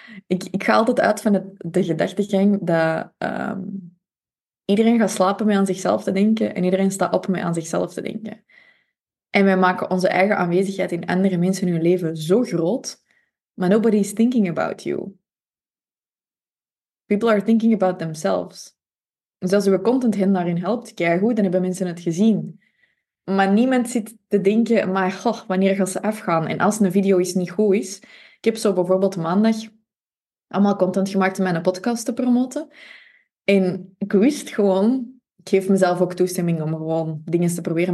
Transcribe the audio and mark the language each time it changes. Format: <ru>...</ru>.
<nl>Ik ga altijd uit van de gedachtegang dat iedereen gaat slapen met aan zichzelf te denken en iedereen staat op met aan zichzelf te denken. En wij maken onze eigen aanwezigheid in andere mensen in hun leven zo groot, maar</nl> <en>nobody is thinking about you. People are thinking about themselves.</en> <nl>Dus als je content hen daarin helpt, keigoed, dan hebben mensen het gezien. Maar niemand zit te denken, maar goh, wanneer gaan ze afgaan? En als een video iets niet goed is... Ik heb zo bijvoorbeeld maandag allemaal content gemaakt om mijn podcast te promoten. En ik wist gewoon... Ik geef mezelf ook toestemming om gewoon dingen te proberen.</nl>